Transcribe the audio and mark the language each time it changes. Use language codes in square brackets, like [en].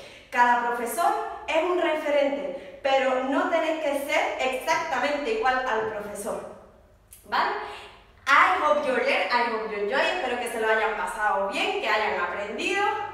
[es] Cada profesor es un referente, pero no tenéis que ser exactamente igual al profesor. ¿Vale? [en] I hope you learn, I hope you enjoy. [es] Espero que se lo hayan pasado bien, que hayan aprendido.